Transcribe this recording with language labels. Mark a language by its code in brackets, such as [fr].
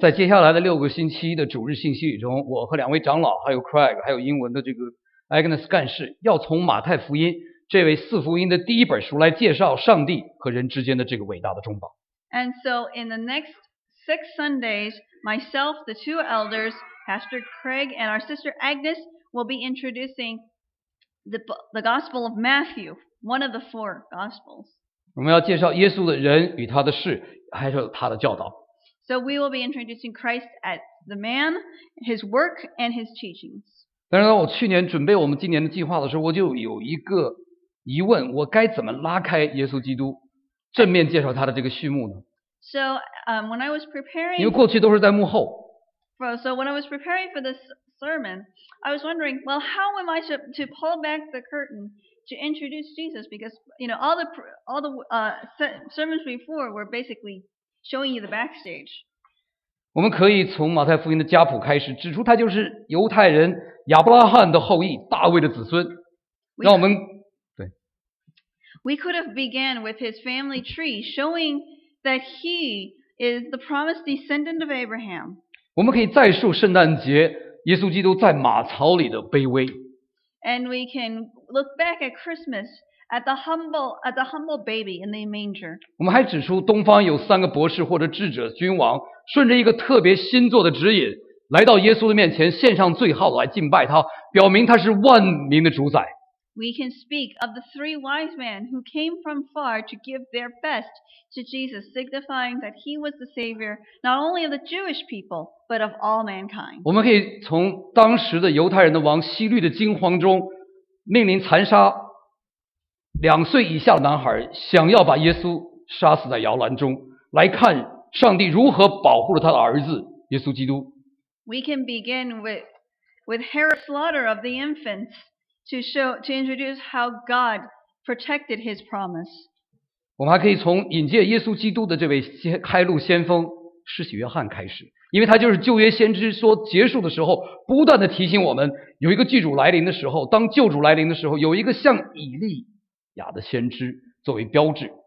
[zh] 在接下来的六个星期的主日信息中，我和两位长老，还有 Craig， 还有英文的这个 Agnes 干事，要从马太福音这位四福音的第一本书来介绍上帝和人之间的这个伟大的中保。 [en] And so, in the next 6 Sundays, myself, the 2 elders, Pastor Craig, and our sister Agnes will be introducing the Gospel of Matthew. One of the 4 Gospels. [zh] 我们要介绍耶稣的人与他的事，还有他的教导。 [en] So we will be introducing Christ as the man, his work, and his teachings. [zh] 但是当我去年准备我们今年的计划的时候，我就有一个疑问：我该怎么拉开耶稣基督，正面介绍他的这个序幕呢？ [en] So when I was preparing, [zh] 因为过去都是在幕后。 [en] So when I was preparing for this sermon, I was wondering, well, how am I to pull back the curtain to introduce Jesus? Because, you know, all the sermons before were basically showing you the backstage. [zh] 我们可以从马太福音的家谱开始，指出他就是犹太人亚伯拉罕的后裔，大卫的子孙。让我们对。 [en] We could have began with his family tree, showing that he is the promised descendant of Abraham. [zh] 我们可以再述圣诞节耶稣基督在马槽里的卑微。 [en] And we can look back at Christmas at the humble baby in the manger. [zh] 我们还指出东方有三个博士或者智者君王。顺着一个特别星座的指引来到耶稣的面前献上罪号来敬拜他表明他是万民的主宰 [en] We can speak of the three wise men who came from far to give their best to Jesus signifying that he was the savior not only of the Jewish people but of all mankind [zh] 我们可以从当时的犹太人的王希律的惊慌中命令残杀两岁以下的男孩想要把耶稣杀死在摇篮中来看上帝如何保护了他的儿子耶稣基督 [en] ？We can begin with Herod's slaughter of the infants to introduce how God protected His promise. [zh] 我们还可以从引介耶稣基督的这位开路先锋施洗约翰开始，因为他就是旧约先知，说结束的时候不断的提醒我们，有一个救主来临的时候，当救主来临的时候，有一个像以利亚的先知作为标志。